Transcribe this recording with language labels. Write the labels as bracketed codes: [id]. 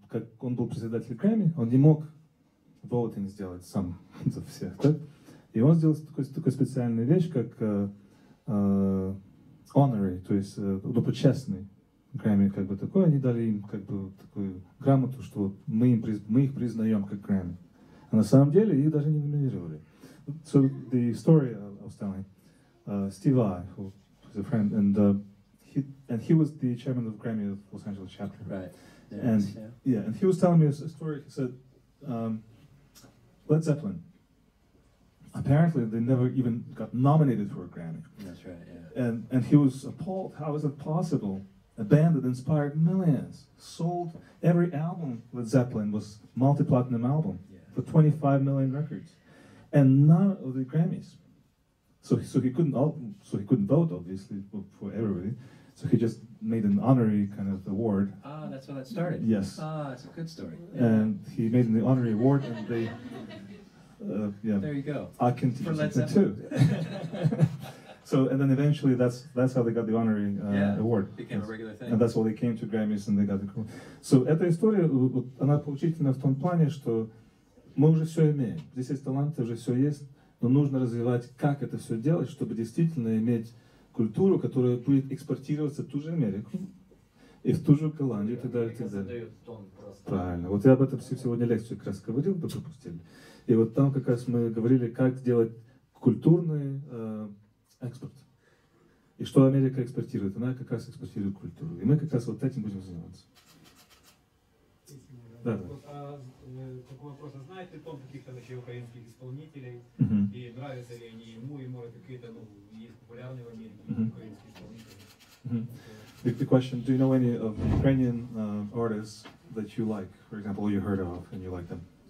[ru] Как он был председателем Грэмми, он не мог voting сделать сам за всех, так? И он сделал такую специальную вещь, как honorary, то есть почестный Грэмми, как бы такое. Они дали им как бы такую грамоту, что вот мы их признаем как Грэмми. А на самом деле их даже не номинировали. [en] So the story I was telling, Steve I, who is a friend, and he was the chairman of Grammy of Los Angeles chapter. Right. And he was telling me a story. He said, Led Zeppelin, apparently they never even got nominated for a Grammy. That's right, yeah. And he was appalled. How is it possible? A band that inspired millions, sold every album Led Zeppelin was multi-platinum album for 25 million records. And none of the Grammys. So he couldn't vote, obviously, for everybody. So he just made an honorary kind of award. Ah, that's where that started. Yes. Ah, it's a good story. Yeah. And he made an honorary award, and they, There you go. I can teach for Led Zeppelin too. So, and then eventually that's how they got the honorary award. Became a regular thing. And that's why they came to Grammys and they got the award. [ru] So эта история, вот, она поучительна в том плане, что мы уже все имеем. Здесь есть таланты, уже все есть, но нужно развивать, как это все делать, чтобы действительно иметь культуру, которая будет экспортироваться в ту же Америку и в ту же Голландию, и так далее. Правильно. Вот я об этом сегодня лекцию как раз говорил, вы пропустили. И вот там как раз мы говорили, как сделать культурный экспорт. И что Америка экспортирует? Она как раз экспортирует культуру. И мы как раз вот этим будем заниматься. Да, да. Такой вопрос. А знаете Том каких-то вообще украинских исполнителей? Uh-huh. И нравятся ли они ему, и может какие-то, ну, есть популярные в Америке украинские исполнители? Uh-huh. [en] The question, do you know any of Ukrainian artists that you like, for example, you heard of and you like them?